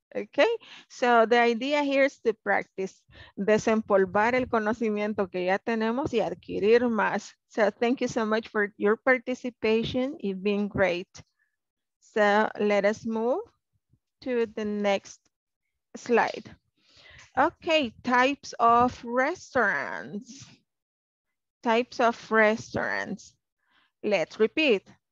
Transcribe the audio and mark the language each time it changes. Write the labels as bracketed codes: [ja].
[en] Okay, so the idea here is to practice. [es] Desempolvar el conocimiento que ya tenemos y adquirir más. [en] So thank you so much for your participation. It's been great. So let us move to the next slide. Okay, types of restaurants. Types of restaurants. Let's repeat.